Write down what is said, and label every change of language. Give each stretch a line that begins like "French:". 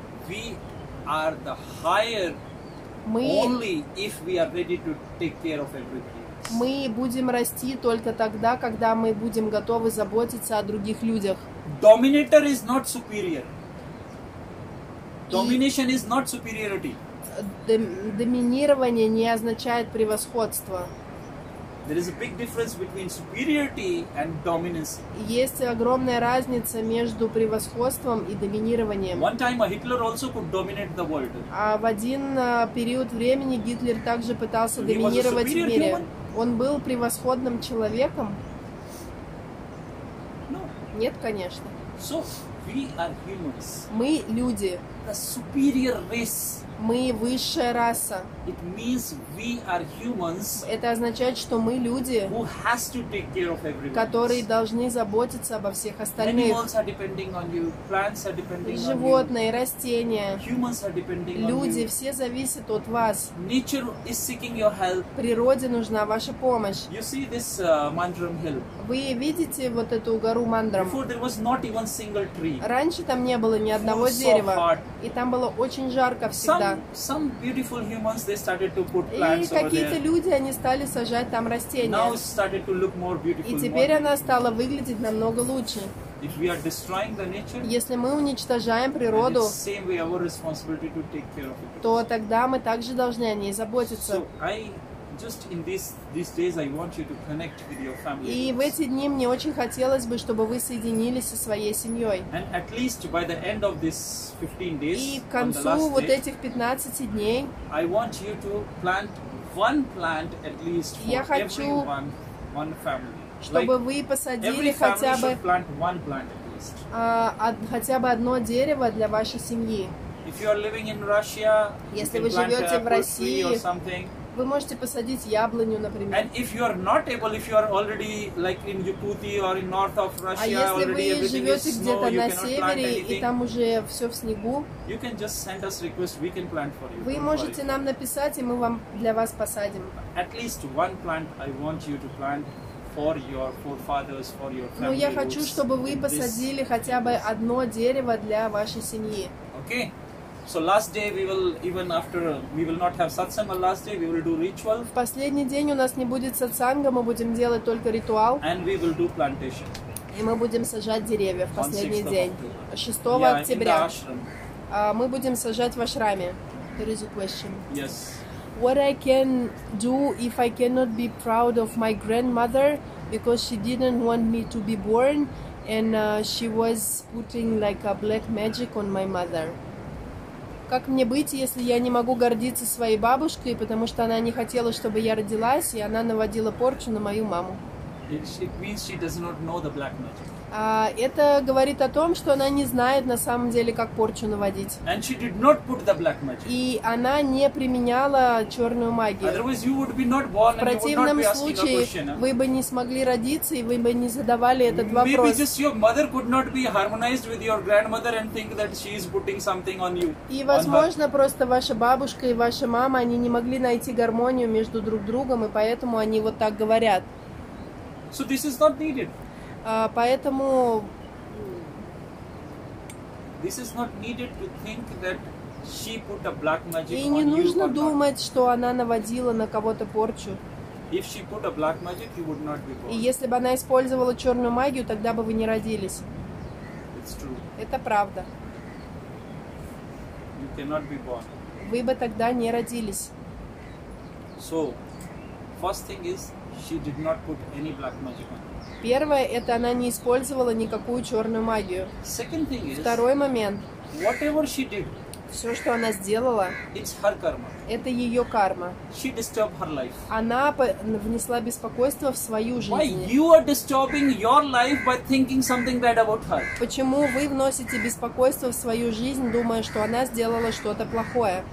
English: We are the higher. Only if we are ready to take care of everything.
Russian: Мы будем расти только тогда, когда мы будем готовы заботиться о других людях.
English: Dominator is not superior. Domination is not superiority.
Russian: Доминирование не означает превосходство.
English: There is a big difference between superiority and dominance.
Russian: Есть огромная разница между превосходством и доминированием.
English: One time Hitler also could dominate the world.
Russian: А в один период времени Гитлер также пытался доминировать в мире. Он был превосходным человеком?
English: No.
Russian: Нет, конечно.
English: So we are humans.
Russian: Мы люди.
English: The superior race.
Russian: Мы высшая раса.
English: It means we are humans.
Russian: Это означает, что мы люди,
English: who has to take care of everyone,
Russian: которые должны заботиться обо всех остальных.
English: Animals are depending on you. Plants are depending on you.
Russian: Животные, растения.
English: Humans are depending on you.
Russian: Люди, все зависят от вас.
English: Nature is seeking your help.
Russian: Природе нужна ваша помощь.
English: You see this Mandram Hill.
Russian: Вы видите вот эту гору Мандрам?
English: Before there was not even single tree.
Russian: Раньше там не было ни одного дерева. И там было очень жарко всегда.
English: Some beautiful humans, they started to put plants over there.
Russian: И какие-то люди, они стали сажать там растения.
English: Now it started to look more beautiful.
Russian: И теперь она стала выглядеть намного лучше.
English: If we are destroying the nature,
Russian: если мы уничтожаем природу,
English: then it's same way our responsibility to take care of it.
Russian: То тогда мы также должны о ней заботиться.
English: So I just in these days I want you to connect with your family.
Russian: И в эти дни мне очень хотелось бы, чтобы вы соединились со своей семьей.
English: And at least by the end of this 15 days,
Russian: и к концу вот этих 15 дней,
English: I want you to plant one plant at least for everyone, one family.
Russian: Чтобы вы посадили хотя бы
English: plant one plant at least.
Russian: хотя бы одно дерево для вашей семьи.
English: Russia,
Russian: если вы живете в России, вы можете посадить яблоню, например.
English: And if you are not able, if you are already like in Yakutia or in north of Russia,
Russian: а если
English: already
Russian: вы живете где-то на севере
English: anything,
Russian: и там уже все в снегу,
English: you can just send us request, we can plant for you.
Russian: Вы можете нам написать, и мы вам для вас посадим.
English: At least one plant I want you to plant for your forefathers, for your family.
Russian: Но я хочу, чтобы вы посадили хотя бы одно дерево для вашей семьи.
English: Okay. So last day we will even after we will not have satsang on last day we will do ritual.
Russian: В последний день у нас не будет сатсанга, мы будем делать только ритуал.
English: And we will do plantation.
Russian: И мы будем сажать деревья в последний день. 6 октября. Мы будем сажать в ашраме.
English: There is a question. Yes. What I can do if I cannot be proud of my grandmother because she didn't want me to be born and she was putting like a black magic on my mother.
Russian: Как мне быть, если я не могу гордиться своей бабушкой, потому что она не хотела, чтобы я родилась, и она наводила порчу на мою маму?
English: It means she does not know the black magic.
Russian: Это говорит о том, что она не знает на самом деле, как порчу наводить.
English: And she did not put the black magic.
Russian: И она не применяла черную магию.
English: Otherwise you would be not born,
Russian: в противном случае, вы бы не смогли родиться, и вы бы не задавали этот вопрос.
English: Maybe just your mother could not be harmonized with your grandmother and think that she is putting something on you.
Russian: И, возможно, просто ваша бабушка и ваша мама, они не могли найти гармонию между друг другом, и поэтому они вот так говорят.
English: So this is not needed.
Russian: Поэтому
English: this is not needed to think that she put a black magic on you.
Russian: И не нужно думать, что она наводила на кого-то порчу.
English: If she put a black magic, you would not be born.
Russian: И если бы она использовала черную магию, тогда бы вы не родились.
English: It's true.
Russian: Это правда.
English: You cannot be born.
Russian: Вы бы тогда не родились.
English: So, first thing is she did not put any black magic on.
Russian: Первое, это она не использовала никакую черную магию.
English: Second thing is,
Russian: второй момент.
English: Whatever she did,
Russian: все, что она сделала,
English: it's her karma.
Russian: Это ее карма.
English: She disturbed her life.
Russian: Она внесла беспокойство в свою жизнь.
English: Why you are disturbing your life by thinking something bad about her?
Russian: Почему вы вносите беспокойство в свою жизнь, думая, что она сделала что-то плохое?